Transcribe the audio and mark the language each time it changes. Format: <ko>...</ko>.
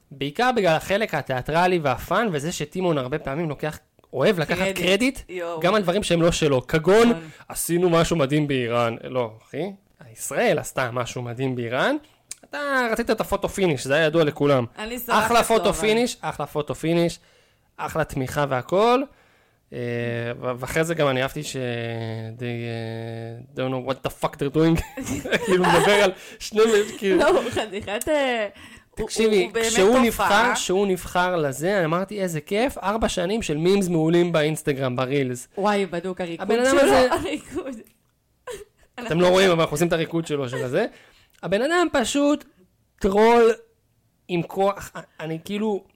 <he>בעיקר בגלל החלק התיאטרלי והפן, וזה שטימון הרבה פעמים לוקח, אוהב לקחת קרדיט, גם על דברים שהם לא שלו. כגון, עשינו משהו מדהים באיראן. לא, אחי, ישראל עשתה משהו מדהים באיראן. אתה רצית את הפוטו פיניש, זה היה ידוע לכולם. אני שרחת אחלה פוטו פיניש, אחלה פוטו פיניש, אחלה תמיכה והכל. ואחרי זה גם אני אהבתי ש...</he> <en>they don't know what the fuck they're doing.</en> <he>כאילו מדבר על שני... לא, חדיכת... תקשיבי, כשהוא נבחר לזה, אני אמרתי, איזה כיף, 4 שנים של מימס מעולים באינסטגרם, ברילס. וואי, בדוק, הריקוד שלו, הריקוד. אתם לא רואים, אבל אנחנו עושים את הריקוד שלו של הזה. הבן אדם פשוט טרול עם כוח, אני כאילו...</he>